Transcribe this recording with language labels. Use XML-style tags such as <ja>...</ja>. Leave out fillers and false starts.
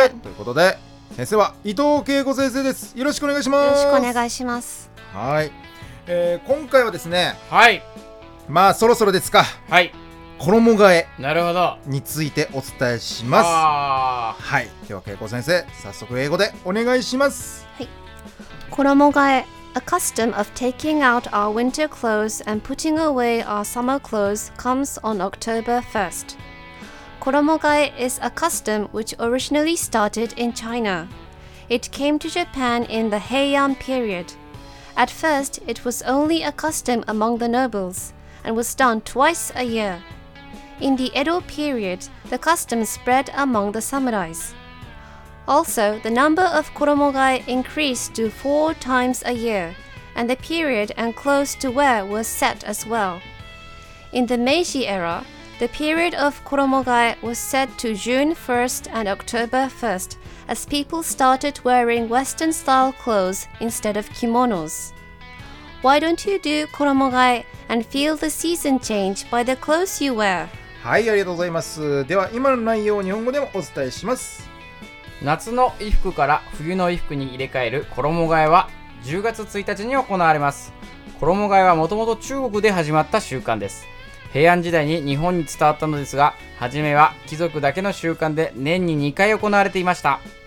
<ja>ということで先生は伊藤恵子先生です。よろしくお願いします。よろしくお願いします。はい、今回はですね、はい、まあそろそろですか、はい、衣替えについてお伝えします。はい、では恵子先生早速英語でお願いします。</ja> <en>はい、衣替え、 A custom of taking out our winter clothes and putting away our summer clothes comes on October 1st. 衣替え is a custom which originally started in China. It came to Japan in the Heian period. At first, it was only a custom among the nobles and was done twice a year. In the Edo period, the custom spread among the samurais. Also, the number of koromogai increased to 4 times a year, and the period and clothes to wear were set as well. In the Meiji era, the period of koromogai was set to June 1st and October 1st, as people started wearing Western-style clothes instead of kimonos. Why don't you do koromogai and feel the season change by the clothes you wear?</en> <ja>はい、ありがとうございます。では今の内容を日本語でもお伝えします。夏の衣服から冬の衣服に入れ替える衣替えは10月1日に行われます。衣替えはもともと中国で始まった習慣です。平安時代に日本に伝わったのですが、初めは貴族だけの習慣で年に2回行われていました。</ja>